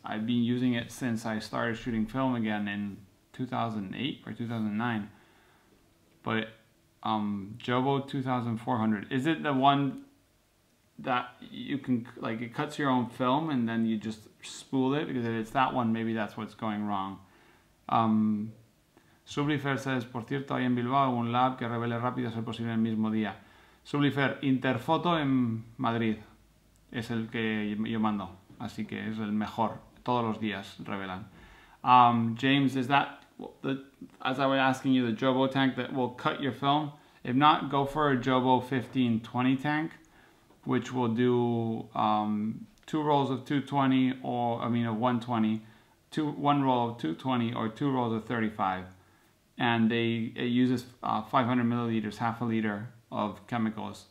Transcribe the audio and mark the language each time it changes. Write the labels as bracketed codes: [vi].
[en] I've been using it since I started shooting film again in 2008 or 2009, but Jobo 2400, is it the one that you can, like, it cuts your own film and then you just spool it? Because if it's that one, maybe that's what's going wrong. [es] Sublifer says, por cierto, hay en Bilbao un lab que revele rápido ser posible el mismo día. Sublifer, Interfoto en Madrid es el que yo mando, así que es el mejor, todos los días revelan. [en] James, is that, as I was asking you, the Jobo tank that will cut your film? If not, go for a Jobo 1520 tank, which will do two rolls of 220, or I mean of 120, one roll of 220 or two rolls of 35, and it uses 500 milliliters, half a liter of chemicals.